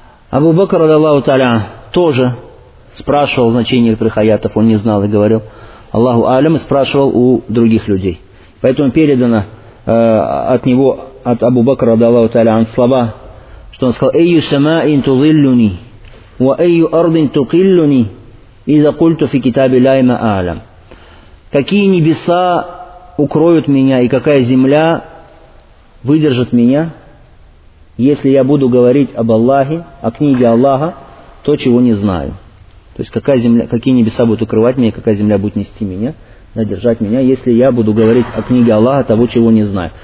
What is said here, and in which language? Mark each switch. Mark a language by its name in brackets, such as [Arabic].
[Russian] Абу Бакр, рады Аллаху Таля, тоже спрашивал значение некоторых аятов, он не знал и говорил Аллаху Алям, и спрашивал у других людей. Поэтому передано от него, от Абу Бакр, рады Аллаху Таля, слова, что он сказал, «Эйю сама инту зиллюни». [Arabic] وأي أرض تقلني إذا قلت في كتاب الله ما أعلم. [Russian] Какие небеса укроют меня и какая земля выдержит меня, если я буду говорить об Аллахе, о книге Аллаха, то чего не знаю. То есть какая земля, какие небеса будут укрывать меня, какая земля будет нести меня, надержать меня, если я буду говорить о книге Аллаха, того чего не знаю.